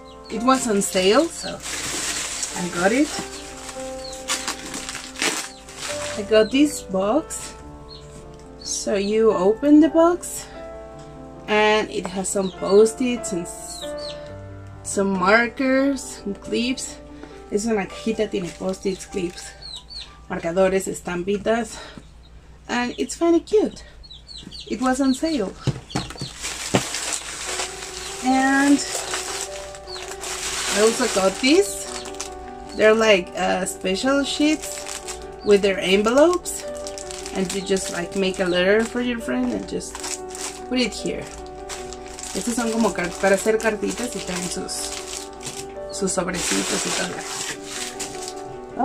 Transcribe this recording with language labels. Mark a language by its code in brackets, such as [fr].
[en] It was on sale, so I got it. I got this box. So you open the box, and it has some post-its and some markers and clips. [es] Es una cajita, tiene post-its, clips, marcadores, estampitas. [en] And it's kind of cute. It was on sale. And I also got these. They're like special sheets with their envelopes. And you just like make a letter for your friend and just put it here. [es] Estos son como para hacer cartitas y tienen sus sobrecitos y todo.